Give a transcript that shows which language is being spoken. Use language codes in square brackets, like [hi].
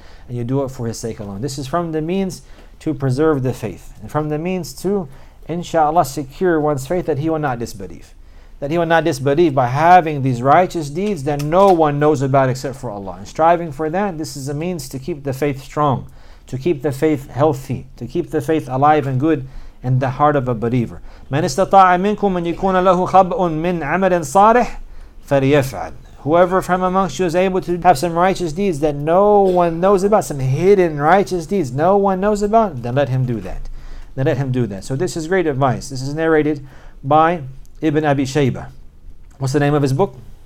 [en] This is from the means to preserve the faith, and from the means to, inshallah, secure one's faith that he will not disbelieve. By having these righteous deeds that no one knows about except for Allah. And striving for that, this is a means to keep the faith strong, to keep the faith healthy, to keep the faith alive and good in the heart of a believer. [ar] من استطاع منكم أن يكون له خبأ من عمل صالح فليفعل. [en] Whoever from amongst you is able to have some righteous deeds that no one knows about, some hidden righteous deeds no one knows about, then let him do that. So this is great advice. This is narrated by Ibn Abi Shayba. What's the name of his book?